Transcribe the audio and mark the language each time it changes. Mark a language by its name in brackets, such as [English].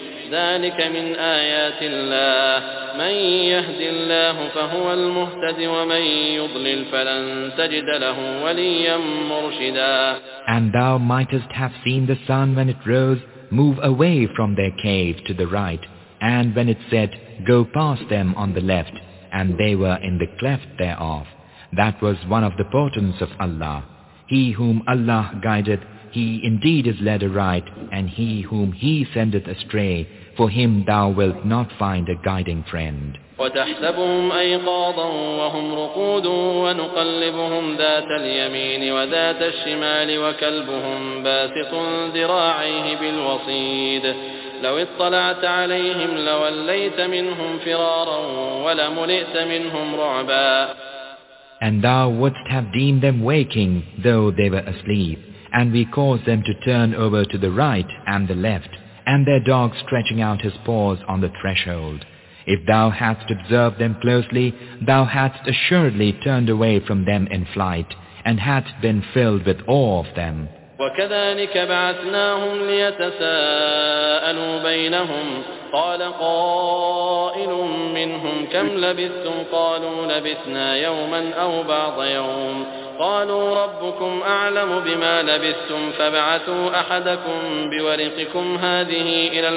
[Arabic] ذلك من آيات الله من يهد الله فهو المهتد ومن يضلل فلن تجد له وليا مرشدا. [English] And thou mightest have seen the sun when it rose move away from their cave to the right, and when it set go past them on the left, and they were in the cleft thereof. That was one of the portents of Allah. He whom Allah guideth, he indeed is led aright, and he whom he sendeth astray, for him thou wilt not find a guiding friend. [Arabic] وتحسبهم أيقاظا وهم رقود ونقلبهم ذات اليمين وذات الشمال وكلبهم باسط ذراعيه بالوصيد لو اطلعت عليهم لوليت منهم فرارا ولملئت منهم رعبا. [English] And thou wouldst have deemed them waking though they were asleep, and we caused them to turn over to the right and the left, and their dog stretching out his paws on the threshold. If thou hadst observed them closely, thou hadst assuredly turned away from them in flight, and hadst been filled with awe of them. [Arabic] وكذلك بعثناهم ليتساءلوا بينهم قال قائل منهم كم لبثتم قالوا لبثنا يوما أو بعض يوم قالوا ربكم أعلم بما لبثتم فبعثوا أحدكم بورقكم هذه